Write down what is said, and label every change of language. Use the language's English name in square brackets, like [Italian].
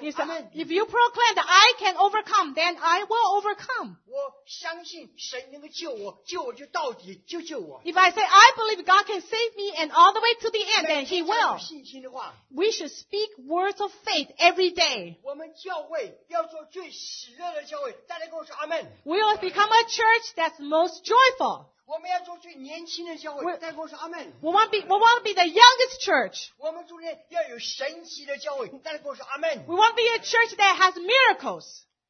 [English] he said, if you proclaim that I can overcome, then I will overcome. [Chinese] 我相信神能够救我, 救我就到底, 就救我。 [English] If I say, I believe God can save me and all the way to the end, then he will. [Chinese] 有信心的话, [English] we should speak words of faith every day. [Chinese] 我们教会要做最喜乐的教会, 大家跟我说, Amen. [English] We will become a church that's most joyful. We want to be the youngest church. We want to be a church that has miracles.